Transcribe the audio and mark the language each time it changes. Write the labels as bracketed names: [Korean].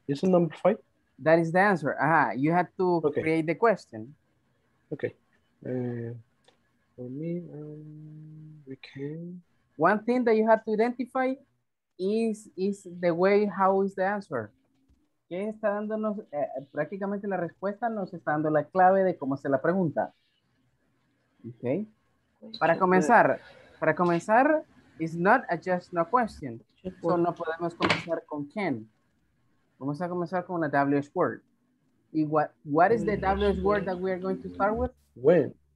[English] Is it number 5? That is the answer. You have to create the question. Okay. For me, we can. One thing that you have to identify is the way how is the answer. [Spanish] ¿Qué está dándonos? Prácticamente la respuesta nos está dando la clave de cómo hacer la pregunta. [English] Okay. [Spanish] Para comenzar, [English] it's not a just no question. [Spanish] So no podemos comenzar con can. Vamos a comenzar con a WH word. [English] ¿Y what is the WH word that we are going to start with?